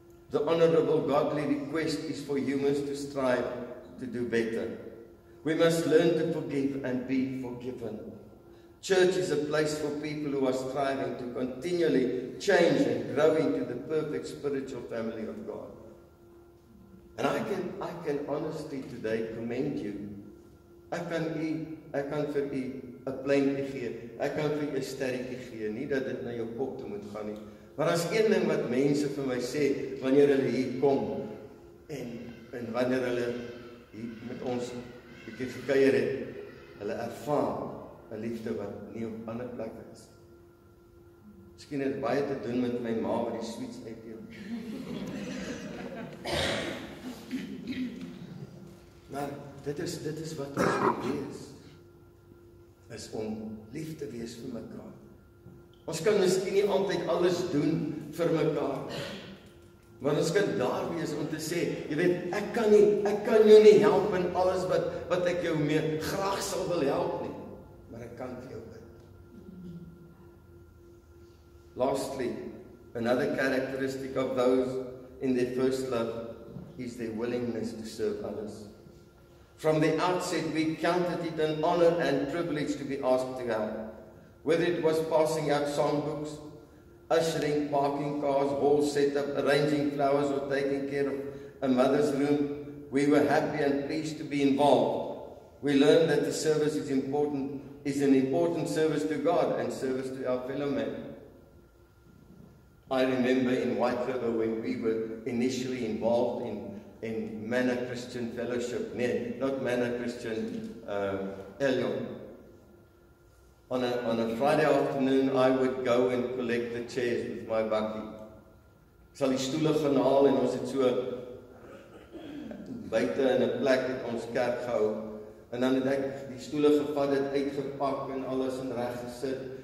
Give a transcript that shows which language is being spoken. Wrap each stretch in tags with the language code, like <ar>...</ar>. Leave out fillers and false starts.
<en>The honorable godly request is for humans to strive to do better. We must learn to forgive and be forgiven. Church is a place for people who are striving to continually change and grow into the perfect spiritual family of God. And I can honestly today commend you.</en> <af>Ek kan vir u 'n pleintjie gee. Ek kan vir u 'n sterretjie gee, nie dat dit na jou kop toe moet gaan nie. Maar as een ding wat mense vir my sê wanneer hulle hier kom en wanneer hulle hier met ons bietjie gekuier het, hulle ervaar 'n liefde wat nie op ander plek is. Miskien het baie te doen met my ma wat die sweets uitdeel. Maar dit is wat ons moet wees, is om lief te wees vir mekaar. Ons kan miskien nie altyd alles doen vir mekaar, maar ons kan daar wees om te sê, jy weet, ek kan jou nie help in alles wat ek jou mee graag sal wil help nie, maar ek kan vir jou bid.</af> <en>Lastly, another characteristic of those in their first love is their willingness to serve others. From the outset, we counted it an honor and privilege to be asked to help. Whether it was passing out songbooks, ushering parking cars, hall setup, arranging flowers, or taking care of a mother's room, we were happy and pleased to be involved. We learned that the service is important is an important service to God and service to our fellow man. I remember in White River when we were initially involved in Manor Christian Fellowship, not Manor Christian, Elion. On a Friday afternoon, I would go and collect the chairs with my bakkie.</en> <af>Sal die stoele gaan haal en ons het so buite in 'n plek het ons kerk gehou. En dan het ek die stoele gevat, het uitgepak en alles in reg gesit.</af>